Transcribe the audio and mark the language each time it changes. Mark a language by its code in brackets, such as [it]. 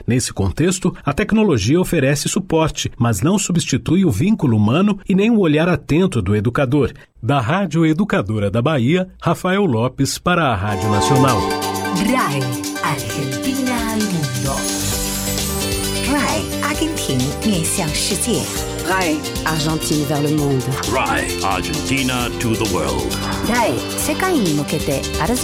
[pt] Nesse contexto, a tecnologia oferece suporte, mas não substitui o vínculo humano e nem o olhar atento do educador. Da Rádio Educadora da Bahia, Rafael Lopes para a Rádio Nacional. [es] RAI, Argentina al mundo. [zh] RAI, Argentina, 面向 世界. [fr] RAI, Argentina vers le monde. [en] RAI, Argentina to the world. [ja] RAI, 世界に向けて, Argentina.